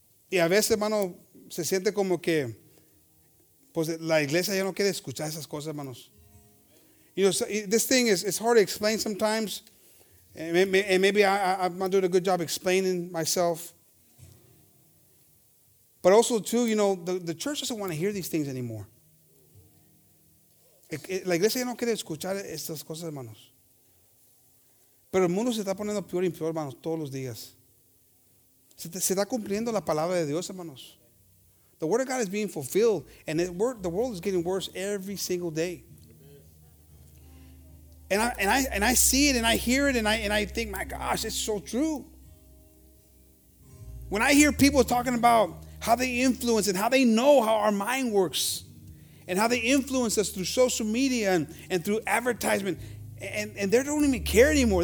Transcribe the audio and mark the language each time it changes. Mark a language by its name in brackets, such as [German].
[Spanish] Y a veces, hermano, se siente como que pues la iglesia ya no quiere escuchar esas cosas, hermanos. [English] You know, so this thing is hard to explain sometimes. And maybe I'm not doing a good job explaining myself. But also, too, you know, the church doesn't want to hear these things anymore. [Spanish] La iglesia ya no quiere escuchar estas cosas, hermanos. Pero el mundo se está poniendo peor y peor, hermanos, todos los días. Se está cumpliendo la palabra de Dios, hermanos. [English] The word of God is being fulfilled. And the world is getting worse every single day. And I see it and I hear it and I think, my gosh, it's so true. When I hear people talking about how they influence and how they know how our mind works and how they influence us through social media and through advertisement, and they don't even care anymore.